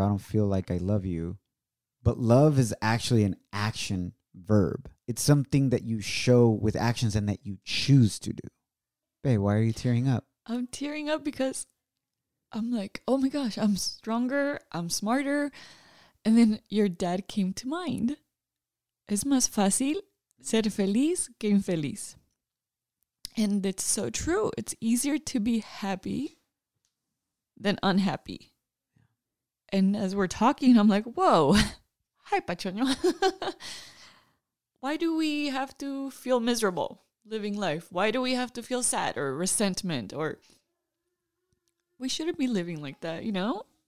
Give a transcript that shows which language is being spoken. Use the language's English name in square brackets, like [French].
[English] I don't feel like I love you. But love is actually an action verb. It's something that you show with actions and that you choose to do. Babe, why are you tearing up? I'm tearing up because I'm like, oh my gosh, I'm stronger, I'm smarter. And then your dad came to mind. [Spanish] Es más fácil ser feliz que infeliz. [English] And it's so true. It's easier to be happy than unhappy. And as we're talking, I'm like, whoa, hi, Pachoño. Why do we have to feel miserable living life? Why do we have to feel sad or resentment? Or we shouldn't be living like that, you know?